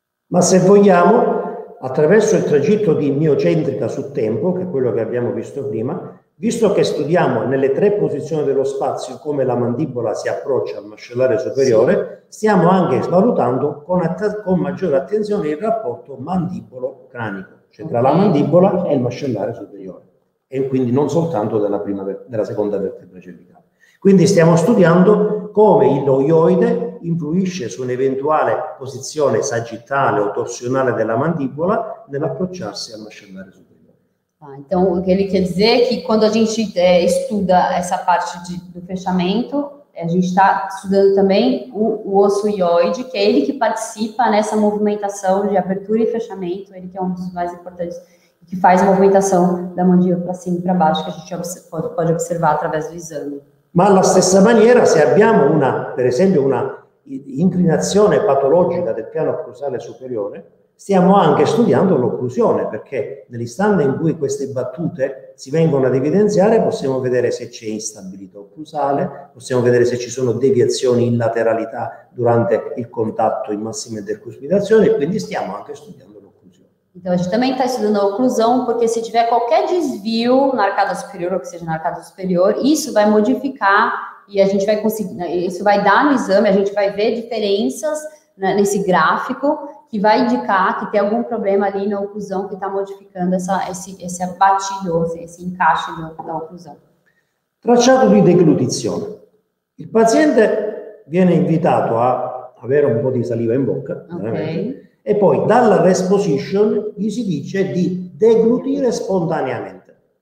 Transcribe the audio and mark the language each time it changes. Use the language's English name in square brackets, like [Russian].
[Italian] Mas se vogliamo, attraverso il tragitto di miocentrica su tempo, che è quello che abbiamo visto prima, visto che studiamo nelle tre posizioni dello spazio come la mandibola si approccia al mascellare superiore, sì, stiamo anche valutando con maggiore attenzione il rapporto mandibolo-cranico, cioè tra la mandibola e il mascellare superiore, e quindi non soltanto della seconda vertebra cervicale. Quindi stiamo studiando come il loioide influisce su un'eventuale posizione sagittale o torsionale della mandibola nell'approcciarsi al mascellare superiore. [Portuguese] Ah, então, o que ele quer dizer é que quando a gente estuda essa parte do fechamento, a gente está estudando também o osso ioide, que é ele que participa nessa movimentação de abertura e fechamento, ele que é um dos mais importantes, que faz a movimentação da mandíbula para cima e para baixo, que a gente pode observar através do exame. Mas, da mesma maneira, [Italian] se abbiamo [Portuguese] uma, por exemplo, uma [Italian] inclinazione patológica do piano occlusale superiore, stiamo anche studiando l'occlusione, perché nell'istante in cui queste battute si vengono ad evidenziare possiamo vedere se c'è instabilità occlusale, possiamo vedere se ci sono deviazioni in lateralità durante il contatto in massima intercuspidazione, quindi stiamo anche studiando l'occlusione. [Portuguese] Então, a gente também está estudando a oclusão, porque se tiver qualquer desvio na arcada superior, ou que seja na arcada superior, isso vai modificar e a gente vai conseguir, isso vai dar no exame, a gente vai ver diferenças nesse gráfico, que vai indicar que tem algum problema ali na oclusão que está modificando esse batido, esse encaixe da oclusão. [Italian] Tracciato di deglutizione. Il paziente viene invitato a avere un po' di saliva in bocca, okay, e poi dalla rest position gli si dice di deglutire spontaneamente.